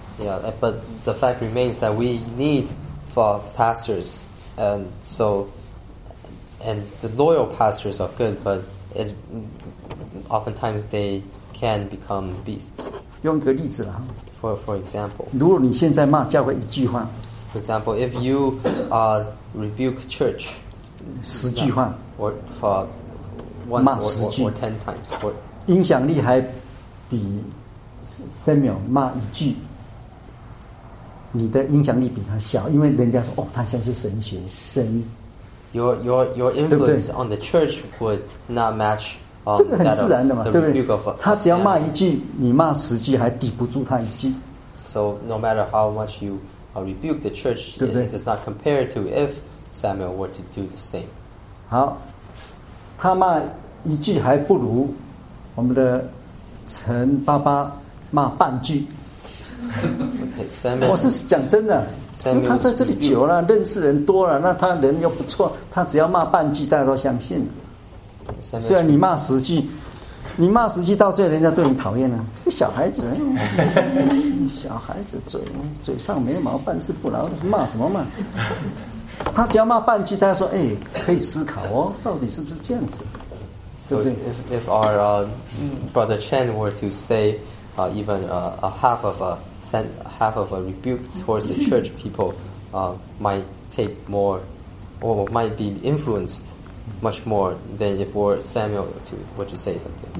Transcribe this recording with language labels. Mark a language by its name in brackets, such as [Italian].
[English] Yeah, but the fact remains that we need for pastors, and so, and the loyal pastors are good, but it oftentimes they can become beasts. [Chinese] 用个例子啦。 [English] For example, [Chinese] 如果你现在骂教会一句话 [English] ，For example, if you rebuke church, [Chinese] 十句话 [English] ，or for once [Chinese] 骂十句 [English] or ten times, or [Chinese] 影响力还。比 Samuel 骂一句，你的影响力比他小，因为人家说哦，他现在是神学生。 [English] Your influence on the church would not match. [Chinese] 这个很自然的嘛，对不对？他只要骂一句，你骂十句还抵不住他一句。 [English] So no matter how much you rebuke the church, it does not compare to if Samuel were to do the same. [Chinese] 好，他骂一句还不如我们的。陈爸爸骂半句 [English] okay, [Chinese] 我是讲真的，因为他在这里久了，认识人多了，那他人又不错，他只要骂半句大家都相信。虽然你骂十句，你骂十句到最后人家对你讨厌了，这个小孩子小孩子嘴上没毛，办事不牢，骂什么嘛？他只要骂半句大家说哎，可以思考哦，到底是不是这样子。 [English] So if our brother Chen were to say even half of a rebuke towards the church, people might take more or might be influenced much more than if were Samuel were to say something.